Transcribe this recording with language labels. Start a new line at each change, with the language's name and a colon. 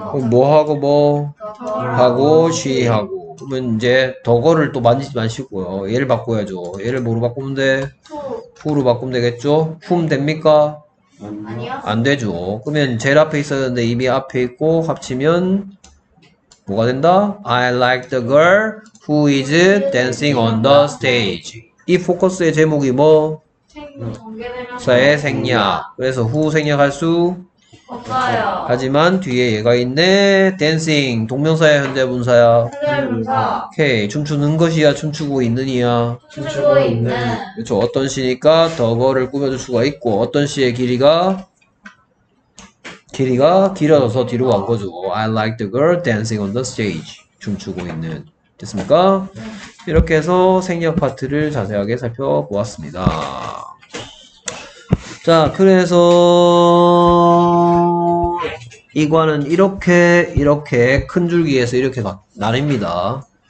Korean: 뭐 하고 뭐 하고 시 하고. 그러면 이제 더거를 또 만지지 마시고요. 얘를 바꿔야죠. 얘를 뭐로 바꾸면 돼? 후로 바꾸면 되겠죠? 훔 됩니까? 아니요. 안 되죠. 그러면 제일 앞에 있었는데 이미 앞에 있고 합치면 뭐가 된다?
English: I like the girl who is dancing on the stage.
Korean: 이 포커스의 제목이 뭐? 전개되면서의 생략. 그래서 후 생략할 수? 없어요. 하지만 뒤에 얘가 있네. Dancing. 동명사야 현재분사야? 현재분사. 오케이. 춤추는 것이야? 춤추고 있느냐? 춤추고 있네. 그렇죠. 어떤 시니까 더거를 꾸며줄 수가 있고 어떤 시의 길이가? 길이가 길어져서 뒤로 간 거죠.
English: I like the girl dancing on the stage.
Korean: 춤추고 있는. 됐습니까? 네. 이렇게 해서 생략 파트를 자세하게 살펴보았습니다. 자, 그래서 이과는 이렇게 이렇게 큰 줄기에서 이렇게 나뉩니다.